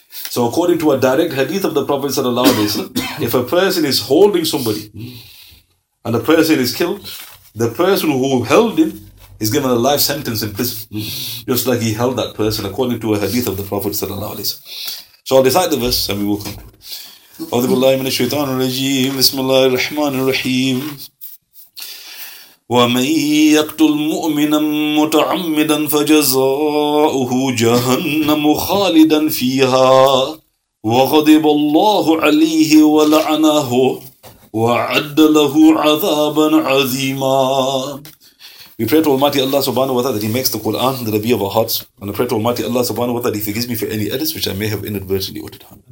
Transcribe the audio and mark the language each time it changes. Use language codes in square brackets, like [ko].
[en] So according to a direct hadith of the Prophet sallallahu alayhi wa sallam, if a person is holding somebody and the person is killed, the person who held him is given a life sentence in prison. Just like he held that person, according to a hadith of the Prophet sallallahu alaihi wasallam. So I'll recite the verse and we will conclude. [ar] أعوذ بالله من الشيطان الرجيم بسم الله الرحمن الرحيم ومن يقتل مؤمنا متعمدا فجزاؤه جهنم خالدا فيها وغضب الله عليه ولعنه وعد له عذابا عظيما. [en] We pray to Almighty Allah subhanahu wa ta'ala that He makes the Quran the Nabi of our hearts. And I pray to Almighty Allah subhanahu wa ta'ala that He forgives me for any edits which I may have inadvertently uttered.